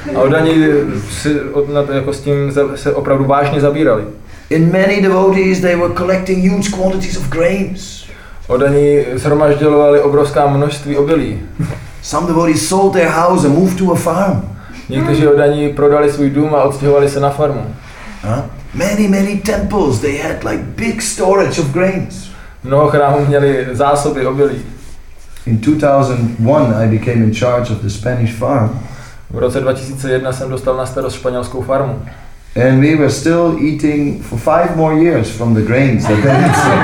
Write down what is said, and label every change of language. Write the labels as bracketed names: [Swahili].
[Czech] A oddaní si jako s tím se opravdu vážně zabírali. [English] In many devotees they were collecting huge quantities of grains. [Czech] Oddaní shromažďovali obrovská množství obilí. [English] Some devotees sold their house and moved to a farm. [Czech] Někteří oddaní prodali svůj dům a odstěhovali se na farmu. [English] Many temples they had like big storage of grains. [Czech] Mnoho chrámů měli zásoby obilí. [English] In 2001 I became in charge of the Spanish farm. [Czech] V roce 2001 jsem dostal na starost španělskou farmu. [English] And we were still eating for 5 more years from the grains that they had.